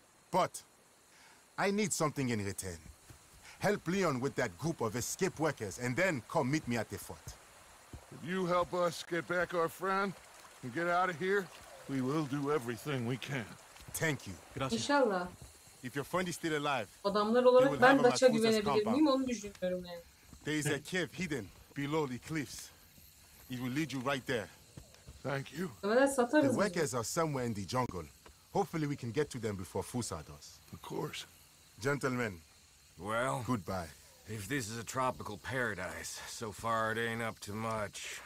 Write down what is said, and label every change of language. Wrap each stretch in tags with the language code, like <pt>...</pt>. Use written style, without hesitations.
<en>But I need something in return. Help Leon with that group of escape workers and then come meet me at the fort. If you help us get back our friend and get out of here, we will do everything we can. Thank you. Gracias. İnşallah. If your friend is still alive,</en> <tr>adamlar olarak ben Daç'a güvenebilir miyim onu düşünüyorum yani.</tr> <en>There is a cave hidden below the cliffs. It will lead you right there. Thank you. The workers are somewhere in the jungle. Hopefully we can get to them before Fusa does. Of course. Gentlemen. Well. Goodbye. If this is a tropical paradise, so far it ain't up to much.</en>